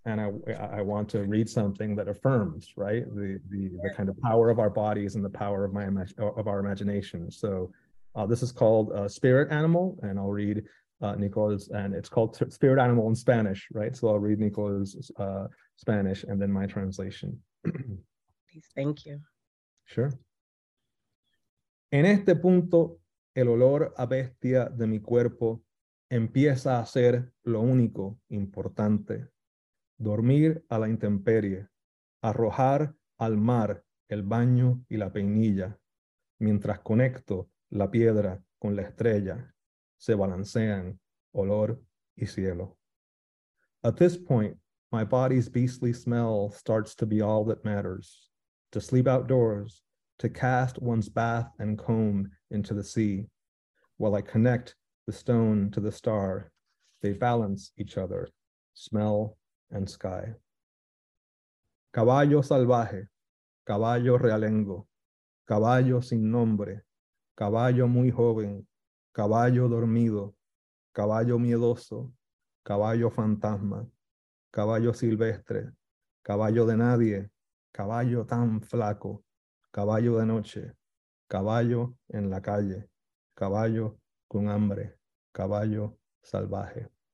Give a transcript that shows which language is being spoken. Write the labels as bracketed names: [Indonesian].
[English] And I want to read something that affirms, right, the kind of power of our bodies and the power of our imagination. So this is called Spirit Animal, and I'll read Nicole's, and it's called Spirit Animal in Spanish, right? So I'll read Nicole's Spanish and then my translation. Please, thank you. Sure. [Spanish] En este punto, el olor a bestia de mi cuerpo empieza a ser lo único importante. Dormir a la intemperie, arrojar al mar el baño y la peinilla, mientras conecto la piedra con la estrella, se balancean olor y cielo. [English] At this point, my body's beastly smell starts to be all that matters. To sleep outdoors, to cast one's bath and comb into the sea, while I connect the stone to the star, they balance each other, smell and sky. [Spanish] Caballo salvaje, caballo realengo, caballo sin nombre, caballo muy joven, caballo dormido, caballo miedoso, caballo fantasma, caballo silvestre, caballo de nadie, caballo tan flaco, caballo de noche, caballo en la calle, caballo con hambre, caballo salvaje.